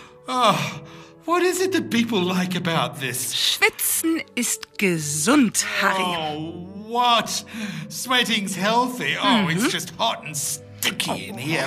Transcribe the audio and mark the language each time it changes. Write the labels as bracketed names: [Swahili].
[English] Oh, what is it that people like about this? [German] Schwitzen ist gesund, Harry. [English] Oh, what? Sweating's healthy. Oh, mm-hmm. It's just hot and sticky in here.